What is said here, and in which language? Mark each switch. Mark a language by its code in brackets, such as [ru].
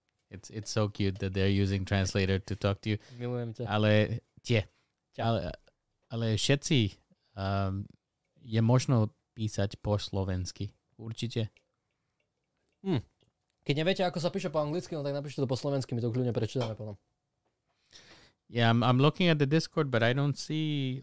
[en] It's so cute that they're using translator to talk to you. [sk] Milujem ťa. Ale tie. Ale všetci je možno písať po slovensky. Určite. Keď neviete, ako sa píše po anglicky, no, tak napíšte to po slovensky. My to kľudne prečítame potom. [en] Yeah, I'm looking at the Discord, but I don't see...